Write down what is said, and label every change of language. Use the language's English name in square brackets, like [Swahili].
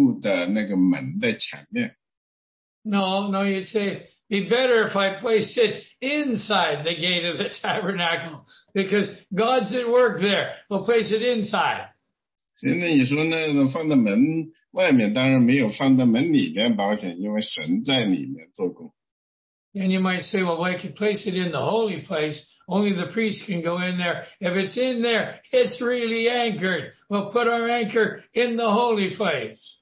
[Chinese] 所以呢，你说呢，我有可能就把我的锚呢，恰恰就放在那个会幕的那个门的前面。 [English] No, no, you'd say, be better if I placed it inside the gate of the tabernacle. Because God's at work there. We'll place it inside. [Chinese] 现在你说呢，放在门外面，当然没有放在门里面保险，因为神在里面做工。 [English] And you might say, well, I could place it in the holy place. Only the priest can go in there. If it's in there, it's really anchored. We'll put our anchor in the holy place.